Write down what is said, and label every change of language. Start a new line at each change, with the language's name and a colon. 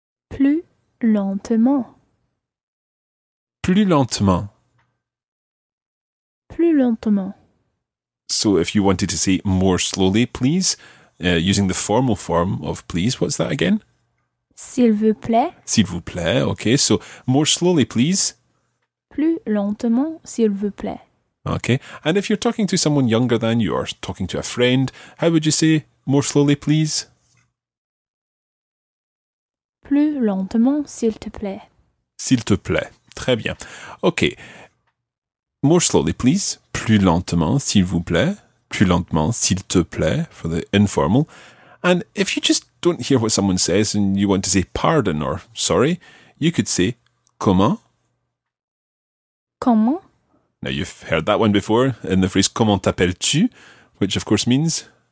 French: Plus lentement. Plus lentement. Plus lentement.
English: So if you wanted to say more slowly, please, using the formal form of please, what's that again?
French: S'il vous plaît. S'il vous plaît,
English: okay. So more slowly, please.
French: Plus lentement, s'il vous plaît.
English: Okay. And if you're talking to someone younger than you or talking to a friend, how would you say more slowly, please?
French: Plus lentement, s'il te plaît. S'il te plaît. Très bien. Okay.
English: More slowly, please.
French: Plus lentement, s'il vous plaît. Plus lentement, s'il te plaît,
English: for the informal. And if you just don't hear what someone says and you want to say pardon or sorry, you could say comment.
French: Comment?
English: Now, you've heard that one before in the phrase
French: comment t'appelles-tu,
English: which of course means...